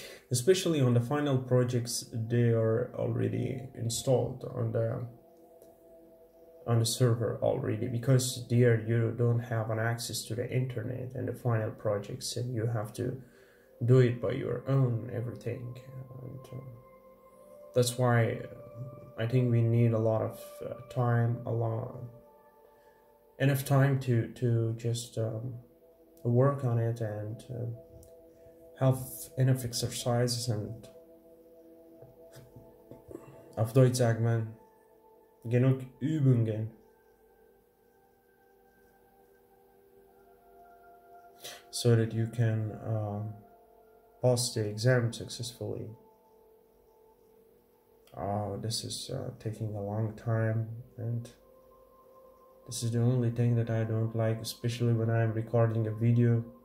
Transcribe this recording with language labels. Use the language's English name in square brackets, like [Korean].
[English] Especially on the final projects, they are already installed on the server already, because there you don't have an access to the internet and the final projects, and you have to do it by your own everything. And that's why I think we need a lot of time, enough time to just work on it and have enough exercises. And [German] auf Deutsch sagt man, genug Übungen. [English] So that you can pass the exam successfully. Oh, this is taking a long time, and this is the only thing that I don't like, especially when I'm recording a video.